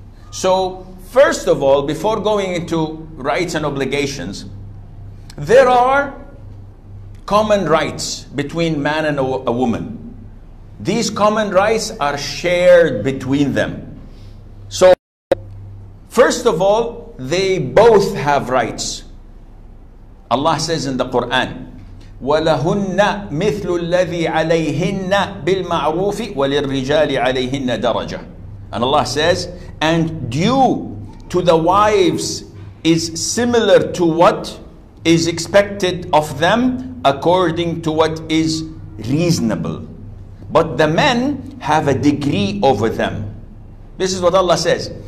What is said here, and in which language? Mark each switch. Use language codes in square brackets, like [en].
[en] So, first of all, before going into rights and obligations, there are common rights between man and a woman. These common rights are shared between them. So, first of all, they both have rights. Allah says in the Quran, [ar] وَلَهُنَّ مِثْلُ الَّذِي عَلَيْهِنَّ بِالْمَعْرُوفِ وَلِلْرِجَالِ عَلَيْهِنَّ دَرَجَةٌ. [en] And Allah says, and due to the wives is similar to what is expected of them according to what is reasonable. But the men have a degree over them. This is what Allah says.